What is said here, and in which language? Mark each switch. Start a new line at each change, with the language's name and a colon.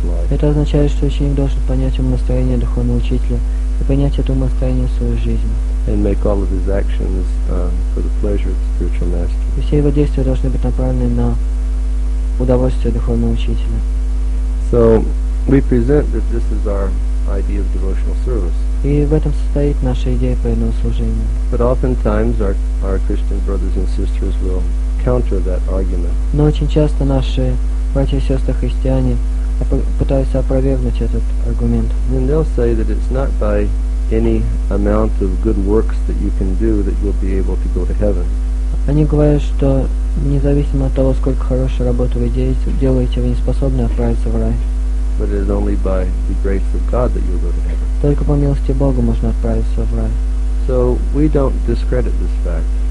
Russian: Это означает, что ученик должен понять ум настроение духовного учителя и понять это ум настроение в своей жизни.
English: And make all of his actions for the pleasure of the spiritual master.
Russian: И все его действия должны быть направлены на удовольствие духовного учителя.
English: So we present that this is our idea of devotional service.
Russian: И в этом состоит наша идея преданного служения.
English: But oftentimes our Christian brothers and sisters will counter that argument.
Russian: Но очень часто наши братья и сестры христиане пытаются опровергнуть этот аргумент.
English: And they'll say that it's not by any amount of good works that you can do that you'll be able to go to heaven.
Russian: Они говорят, что независимо от того, сколько хорошей работы вы делаете, вы не способны отправиться в рай.
English: But it is only by the grace of God that you'll go to heaven.
Russian: Только по милости Бога можно отправиться в рай.
English: So we don't discredit this fact.